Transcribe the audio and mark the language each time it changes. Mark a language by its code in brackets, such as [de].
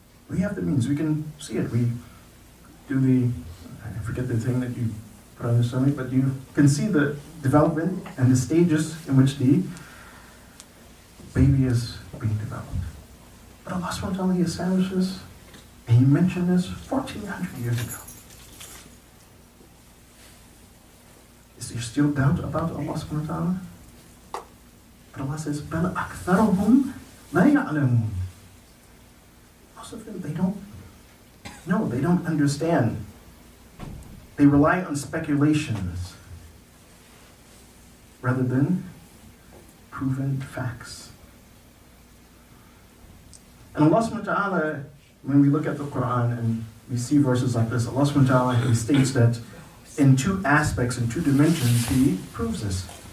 [en] We have the means. We can see it. We do the, I forget the thing that you put on the stomach, but you can see the development and the stages in which the baby is being developed. But Allah SWT establishes, and He mentioned this 1400 years ago. Is there still doubt about Allah SWT? But Allah says, [ar] بَلْ أَكْثَرُهُمْ لَا يَعْلَمُونَ. [en] Most of them, they don't know, they don't understand. They rely on speculations rather than proven facts. And Allah subhanahu wa ta'ala, when we look at the Quran and we see verses like this, Allah subhanahu wa ta'ala, He states that in two aspects, in two dimensions, He proves this.